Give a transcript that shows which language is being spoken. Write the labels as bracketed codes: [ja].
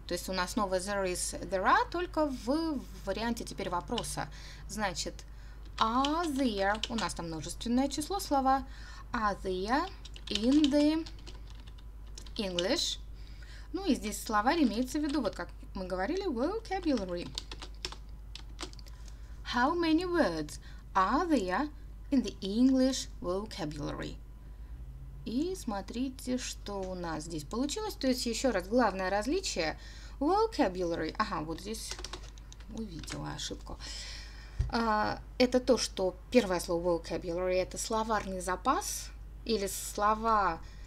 [ru] То есть у нас снова [en] there is, there are, [ru] только в варианте теперь вопроса. [en] Значит, are there... [ru] У нас там множественное число слова. [en] Are there in the English... [ru] Ну и здесь словарь имеется в виду, вот как мы говорили, vocabulary. [en] How many words are there in the English vocabulary? [ru] И смотрите, что у нас здесь получилось. То есть еще раз, главное различие vocabulary. Ага, вот здесь увидела ошибку. Это то, что первое слово vocabulary – это словарный запас или слова...